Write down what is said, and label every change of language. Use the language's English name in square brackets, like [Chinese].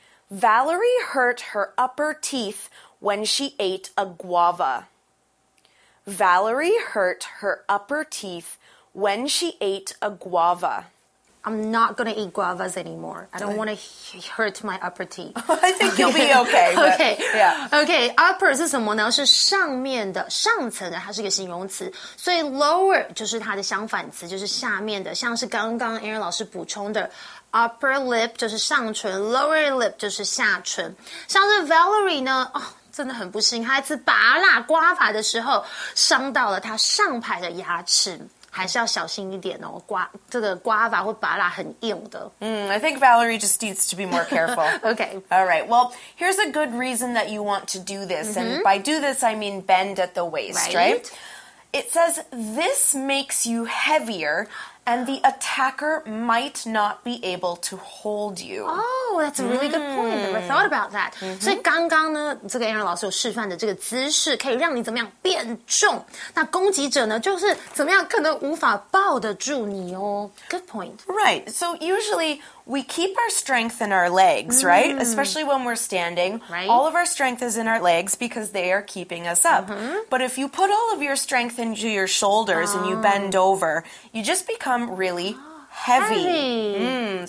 [English] Valerie hurt her upper teeth when she ate a guava. Valerie hurt her upper teeth when she ate a guava. I'm not going to eat guavas anymore. I don't want to hurt my upper teeth. I think you'll be okay. Okay. Yeah. [Chinese] Okay. Upper 是什么呢？是上面的，上层的，它是一个形容词。所以 lower 就是它的相反词，就是下面的。像是刚刚 Aaron 老师补充的。 Upper lip 就是上唇 ，lower lip 就是下唇。像是 Valerie 呢，哦，真的很不幸，她一次拔蜡刮法的时候伤到了她上排的牙齿，还是要小心一点哦。刮法或拔蜡很硬的。 [English] I think Valerie just needs to be more careful. Okay. All right. Well, here's a good reason that you want to do this,、mm-hmm. and by do this I mean bend at the waist, right? It says this makes you heavier. And the attacker might not be able to hold you. Oh, that's a really good point. Never thought about that.、Mm-hmm. [Chinese] 所以刚刚呢，这个 Aaron 老师有示范的这个姿势，可以让你怎么样变重？那攻击者呢，就是怎么样可能无法抱得住你哦。 [English] Good point. Right. So usually we keep our strength in our legs, right? Especially when we're standing. Right. All of our strength is in our legs because they are keeping us up.、 Mm-hmm. But if you put all of your strength into your shoulders、and you bend over, you just become really heavy.